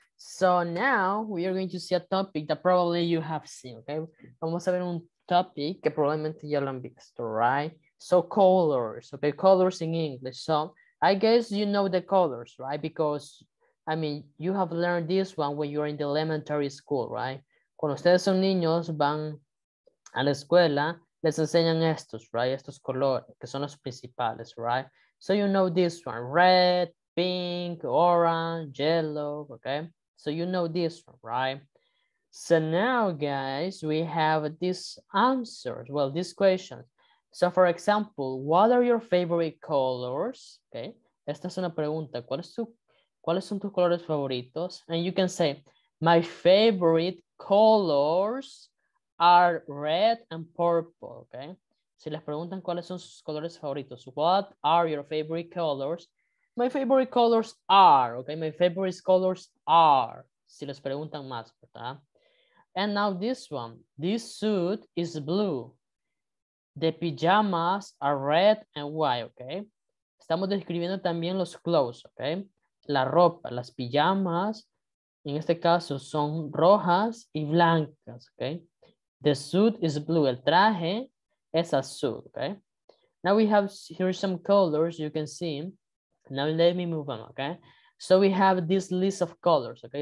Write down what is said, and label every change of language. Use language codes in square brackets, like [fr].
[en] So now we are going to see a topic that probably you have seen, okay? [es] Vamos a ver un topic que probablemente ya lo han visto, right? [en] So colors, okay, colors in English. So I guess you know the colors, right? Because I mean, you have learned this one when you're in the elementary school, right? [es] Cuando ustedes son niños, van a la escuela, les enseñan estos, right? Estos colores, que son los principales, right? [en] So you know this one, red, pink, orange, yellow, okay? So you know this one, right? So now, guys, we have these answers, well, these questions. So for example, what are your favorite colors? [es] Okay, esta es una pregunta, ¿cuáles son tus colores favoritos? [en] And you can say, my favorite colors are red and purple, okay? [es] Si les preguntan cuáles son sus colores favoritos, [en] what are your favorite colors? My favorite colors are, okay? My favorite colors are, [es] si les preguntan más, ¿verdad? [en] And now this one, this suit is blue. The pajamas are red and white, okay? [es] Estamos describiendo también los [en] clothes, okay? [es] La ropa, las pijamas, en este caso son rojas y blancas, okay? [en] The suit is blue, [es] el traje es azul, [en] okay? Now we have here some colors you can see. Now let me move on, okay? So we have this list of colors, okay?